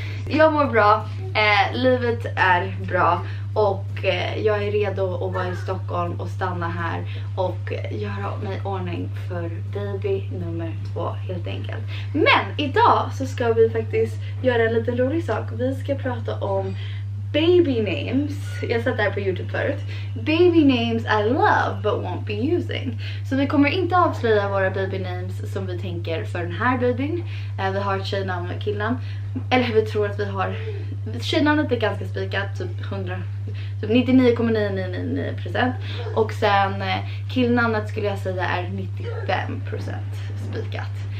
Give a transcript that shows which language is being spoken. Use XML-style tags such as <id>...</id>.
<sv>Jag mår bra, livet är bra och jag är redo att vara i Stockholm och stanna här och göra mig i ordning för baby nummer 2 helt enkelt. Men idag så ska vi faktiskt göra en liten rolig sak. Vi ska prata om baby names. Jag satt där på YouTube förut.</sv> <en>Baby names I love but won't be using.</en> <sv>Så vi kommer inte avslöja våra baby names som vi tänker för den här babyn. Vi har tjejnamn och killnamn. Eller vi tror att vi har, tjejnamnet är ganska spikat, typ 100, typ 99,999%. Och sen killnamnet skulle jag säga är 95% spikat.</sv>